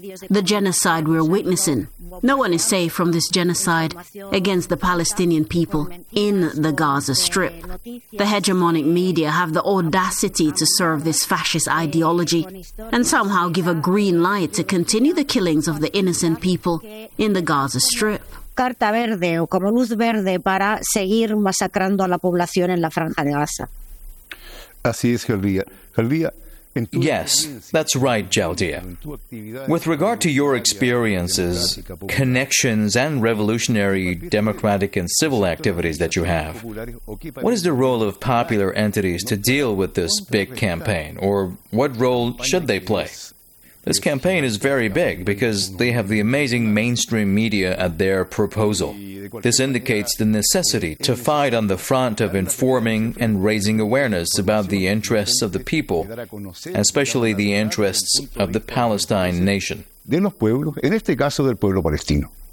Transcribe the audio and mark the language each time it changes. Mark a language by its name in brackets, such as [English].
[English] The genocide we're witnessing. No one is safe from this genocide against the Palestinian people in the Gaza Strip. The hegemonic media have the audacity to serve this fascist ideology and somehow give a green light to continue the killings of the innocent people in the Gaza Strip. [Spanish] Carta verde o como luz verde para seguir masacrando a la población en la franja de Gaza. Así es, Jaldía. Jaldía. [English] Yes, that's right, Jaldia. With regard to your experiences, connections, and revolutionary, democratic, and civil activities that you have, what is the role of popular entities to deal with this big campaign, or what role should they play? This campaign is very big because they have the amazing mainstream media at their proposal. This indicates the necessity to fight on the front of informing and raising awareness about the interests of the people, especially the interests of the Palestine nation. [Spanish] De los pueblos, en este caso del pueblo palestino.